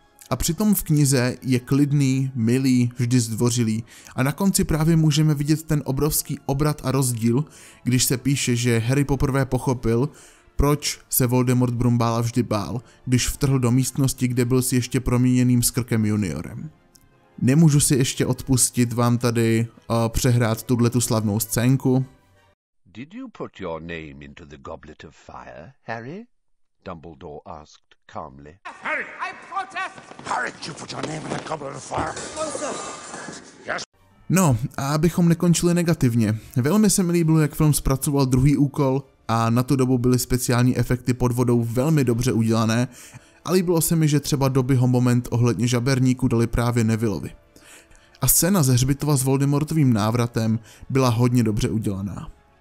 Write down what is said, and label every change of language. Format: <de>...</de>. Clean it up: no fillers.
<cs>A přitom v knize je klidný, milý, vždy zdvořilý a na konci právě můžeme vidět ten obrovský obrat a rozdíl, když se píše, že Harry poprvé pochopil, proč se Voldemort Brumbála vždy bál, když vtrhl do místnosti, kde byl si ještě proměněným Skrkem juniorem. Nemůžu si ještě odpustit vám tady přehrát tuhletu slavnou scénku.</cs> <en>Did you put your name into the goblet of fire, Harry? Dumbledore asked. Calmly. Harry! I protest! Harry, you put your name in a goblet of fire! Yes.</en> <cs>No, a abychom nekončili negativně. Velmi se mi líbilo, jak film zpracoval druhý úkol a na tu dobu byly speciální efekty pod vodou velmi dobře udělané a líbilo se mi, že třeba Dobbyho moment ohledně žaberníku dali právě Nevillovi. A scéna ze hřbitova s Voldemortovým návratem byla hodně dobře udělaná.</cs>